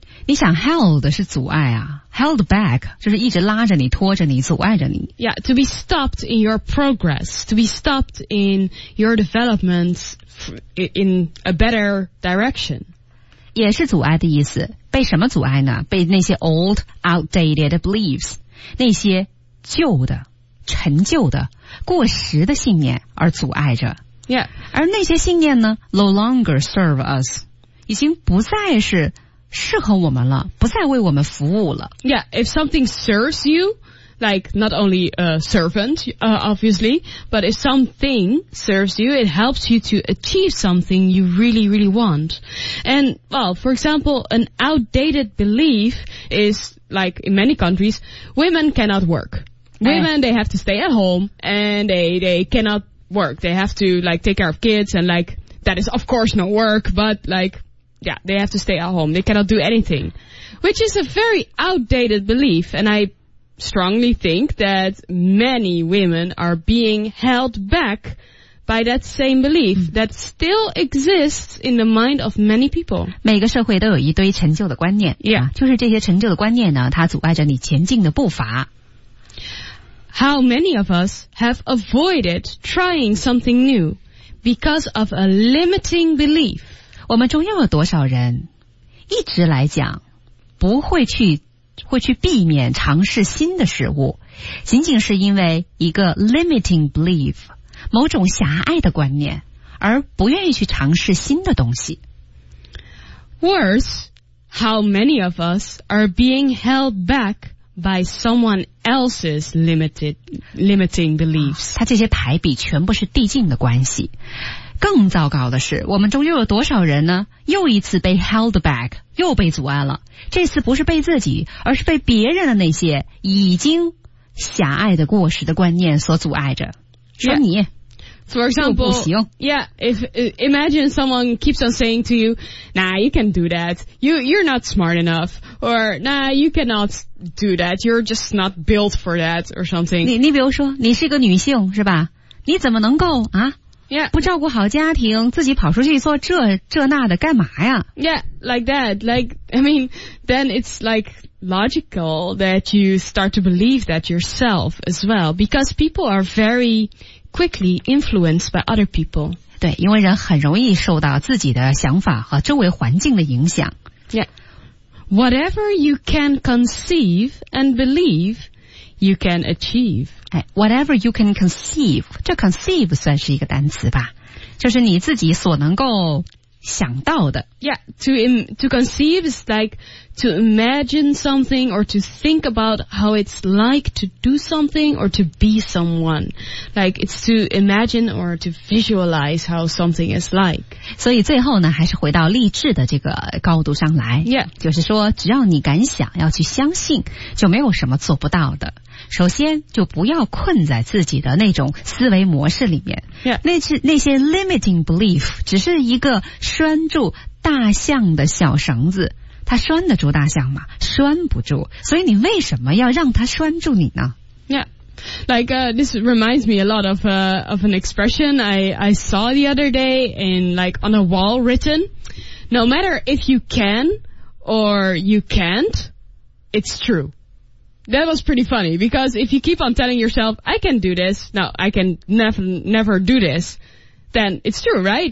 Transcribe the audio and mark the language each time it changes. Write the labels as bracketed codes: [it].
[zh] 你想 held 是阻碍啊 ， [en] held back [zh] 就是一直拉着你、拖着你、阻碍着你。 [en] Yeah, to be stopped in your progress, to be stopped in your developments in a better direction, [zh] 也是阻碍的意思。被什么阻碍呢？被那些 [en] old, outdated beliefs, [zh] 那些旧的、陈旧的、过时的信念而阻碍着。 [en] Yeah, [zh] 而那些信念呢 ， [en] no longer serve us, [zh] 已经不再是。适合我们了，不再为我们服务了。 [en] Yeah, if something serves you, like not only a servant, obviously, but if something serves you, it helps you to achieve something you really, really want. And, well, for example, an outdated belief is, like in many countries, women cannot work. Women, they have to stay at home and they cannot work. They have to, like, take care of kids and, like, that is, of course, not work, but, like,Yeah, they have to stay at home. They cannot do anything. Which is a very outdated belief. And I strongly think that many women are being held back by that same belief that still exists in the mind of many people. [zh] 每个社会都有一堆陈旧的观念。 [en] Yeah. [zh] 就是这些陈旧的观念呢，它阻碍着你前进的步伐。 [en] how many of us have avoided trying something new because of a limiting belief? [zh] 我们中又有多少人一直来讲不会去会去避免尝试新的事物，仅仅是因为一个 [en] limiting belief， [zh] 某种狭隘的观念，而不愿意去尝试新的东西。 [en] Worse, how many of us are being held back by someone else's limiting beliefs？ [zh] 它这些排比全部是递进的关系。更糟糕的是，我们中又有多少人呢？又一次被 [en] held back， [zh] 又被阻碍了。这次不是被自己，而是被别人的那些已经狭隘的、过时的观念所阻碍着。说你。 [en] Yeah. For example, yeah, if, imagine someone keeps on saying to you, nah, you can do that. You're not smart enough. Or, nah, you cannot do that. You're just not built for that or something. [zh] 你比如说你是个女性是吧，你怎么能够啊、 [en] yeah. [zh] 不照顾好家庭自己跑出去做这那的干嘛呀。 [en] Yeah, like that. Like, I mean, then it's like... logical that you start to believe that yourself as well, because people are very quickly influenced by other people. [zh] 对，因为人很容易受到自己的想法和周围环境的影响。 [en] Yeah. Whatever you can conceive and believe, you can achieve. Whatever you can conceive, [zh] 这 conceive 算是一个单词吧，就是你自己所能够想到的。 [en] Yeah, to conceive is like to imagine something or to think about how it's like to do something or to be someone. Like, it's to imagine or to visualize how something is like. [zh] 所以最后呢，还是回到励志的这个高度上来。 [en] Yeah. [zh] 就是说，只要你敢想，要去相信，就没有什么做不到的。首先就不要困在自己的那种思维模式里面、 [en] yeah. [zh] 那些 [en] limiting belief [zh] 只是一个拴住大象的小绳子，它拴得住大象吗？拴不住，所以你为什么要让它拴住你呢？ [en] Yeah, like、this reminds me a lot of,、of an expression I saw the other day in, like, on a wall written. No matter if you can or you can't, it's trueThat was pretty funny, because if you keep on telling yourself, I can do this, no, I can never do this, then it's true, right?